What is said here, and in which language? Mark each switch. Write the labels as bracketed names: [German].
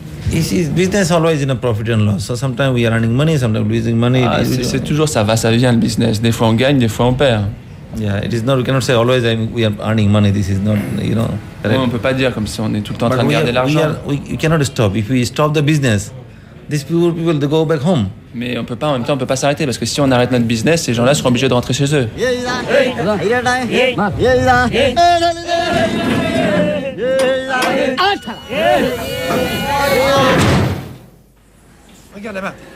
[English] Business always in a profit and loss. So sometimes we are earning money, sometimes losing money. [French] C'est toujours ça va, ça vient le business. Des fois on gagne, des fois on perd. [English] Yeah, it is not. We cannot say always we are earning money. This is not, you know. [French] Oui, on peut pas dire comme si on est tout le temps en train de garder l'argent. [English] We cannot stop. If we stop the business, these people they go back home. [French] Mais on peut pas. En même temps, on peut pas s'arrêter parce que si on arrête notre business, ces gens-là seront obligés de rentrer chez eux. Regarde là-bas.